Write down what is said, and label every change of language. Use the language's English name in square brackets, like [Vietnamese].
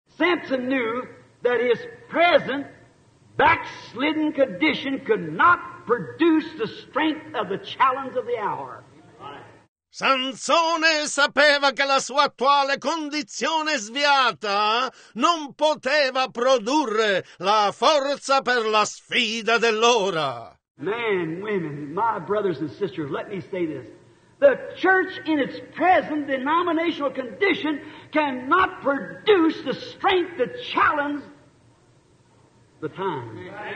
[English] Samson knew that his present backslidden condition could not produce the strength of the challenge of the hour. [Italian] Sansone sapeva che la sua attuale condizione sviata non poteva produrre la forza per la sfida dell'ora. [English] Men, women, my brothers and sisters, let me say this. The church in its present denominational condition cannot produce the strength to challenge the time.